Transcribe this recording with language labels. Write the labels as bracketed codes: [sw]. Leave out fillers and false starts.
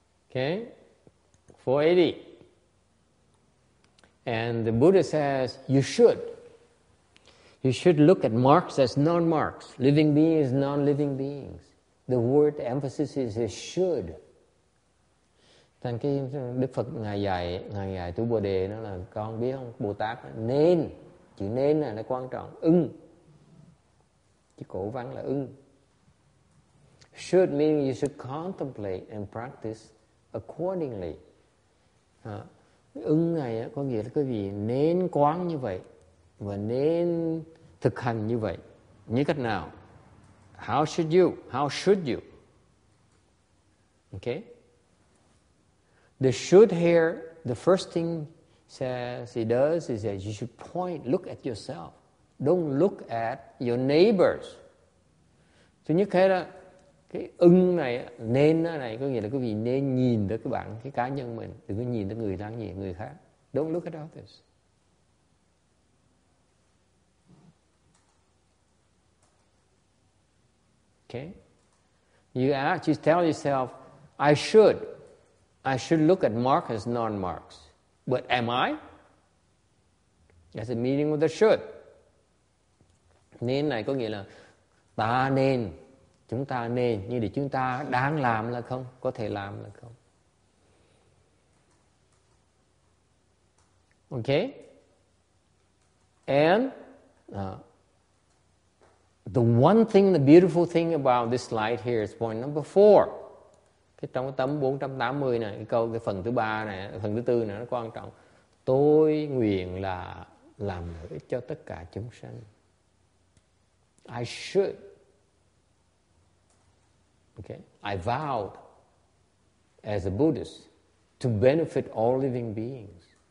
[en] Okay, 480. And the Buddha says, you should look at marks as non-marks, living beings as non-living beings. The word emphasis is should. [vi] Thành cái Đức Phật ngài dạy tu Bồ Đề nó là con biết không, Bồ Tát nên, chữ nên là nó quan trọng, ưng. Chữ cổ văn là ưng. [en] Should meaning you should contemplate and practice accordingly. [vi] Ứng này có nghĩa là quý vị nên quán như vậy và nên thực hành như vậy. Như cách nào? [en] How should you? How should you? Okay? The should here, the first thing says he does is that you should point, look at yourself. Don't look at your neighbors. [vi] Thứ nhất cái đó, cái ưng này, nên này có nghĩa là quý vị nên nhìn tới cái bản, cái cá nhân mình. Đừng có nhìn tới người đang nhìn người khác. [en] Don't look at others. Okay? You ask, you tell yourself, I should look at marks as non-marks. But am I? That's the meaning of the should. [vi] Nên này có nghĩa là ta nên, chúng ta nên, như để chúng ta đang làm là không, có thể làm là không. [en] Okay? And the one thing, the beautiful thing about this slide here is point number four. [vi] Cái trong cái tấm 480 này, cái phần thứ ba này, phần thứ tư này nó quan trọng. Tôi nguyện là làm lợi ích cho tất cả chúng sanh. [en] I should. Okay. I vowed as a Buddhist to benefit all living beings.